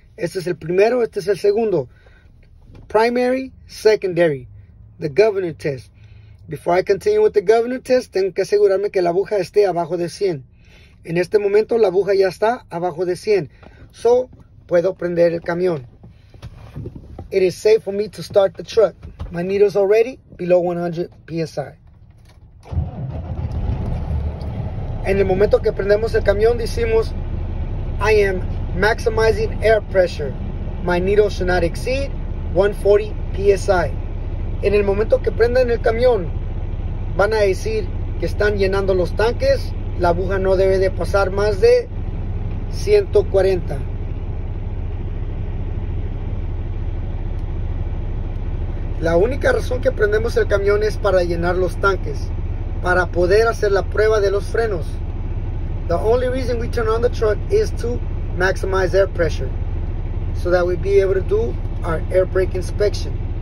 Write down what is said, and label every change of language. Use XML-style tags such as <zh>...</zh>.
<es>Este es el primero, este es el segundo.</es> <en>Primary, secondary, the governor test. Before I continue with the governor test,</en> <es>tengo que asegurarme que la aguja esté abajo de 100. En este momento la aguja ya está abajo de 100. So, puedo prender el camión.</es> <en>It is safe for me to start the truck. My needle is already below 100 PSI.</en> <es>En el momento que prendemos el camión, decimos,</es> <en>I am maximizing air pressure. My needle should not exceed 140 PSI.</en> <es>En el momento que prendan el camión, van a decir que están llenando los tanques. La aguja no debe de pasar más de 140. La única razón que prendemos el camión es para llenar los tanques, para poder hacer la prueba de los frenos.</es> <en>The only reason we turn on the truck is to maximize air pressure so that we'll be able to do our air brake inspection.</en>